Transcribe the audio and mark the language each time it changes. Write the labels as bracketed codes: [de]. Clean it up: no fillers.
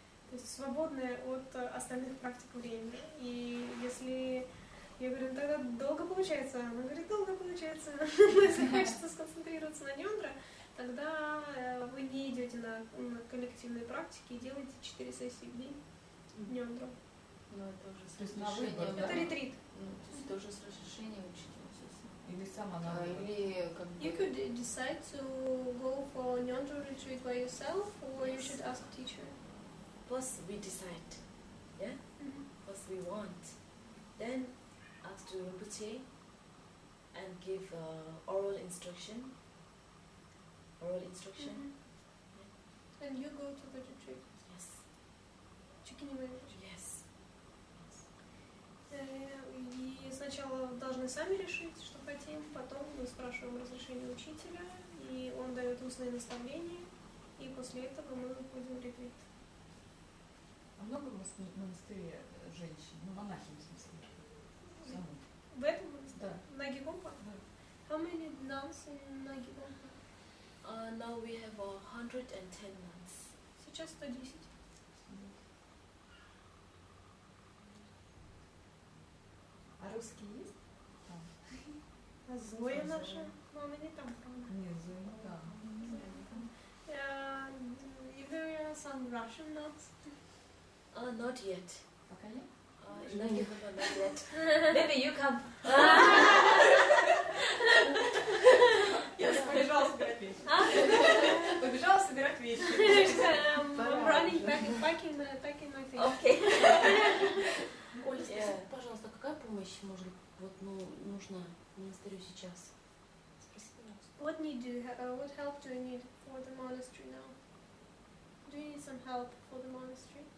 [ru] То есть свободное от остальных практик времени. И если я говорю, тогда долго получается, она говорит, долго получается. Если хочется сконцентрироваться на нёндра, тогда вы не идёте на коллективные практики и делаете 4 сессии в день нёндра. Ну это уже с разрешением. Это ретрит. Ну, то есть это уже с разрешением учительницы. Или сама надо. Или как бы. [en] You could decide to go for нёндра retreat by yourself, or yes. you should ask a teacher. First we decide, yeah? Mm-hmm. First we want. Then ask to Rinpoche and give oral instruction. Oral instruction. Mm-hmm. Yeah. And you go to the retreat? Yes. Chicken marriage? Yes. [ru] И сначала должны сами решить, что хотим, потом мы спрашиваем разрешение учителя, и он дает устные наставления, и после этого мы выходим в ретрит. Много в монастыре женщин, ну, монахинь, в смысле. В этом монастыре? Да. Наги Гомпа? Да. [en] How many nuns in Наги Гомпа? Now we have 110 nuns. [ru] Сейчас 110. А русские есть? А Зоя наша? Но она не там, правда. Нет, Зоя не там. [en] Is there some Russian nuns? Not yet. Okay. No, you haven't not yet. Maybe you come. [ru] Yes, побежал собирать вещи. Побежал собирать вещи. [en] I'm running back and packing my things. Okay. [ru] Оля, спроси, пожалуйста, какая помощь может вот ну нужна монастырю сейчас? [en] What need do you have? What help do you need for the monastery now? Do you need some help for the monastery?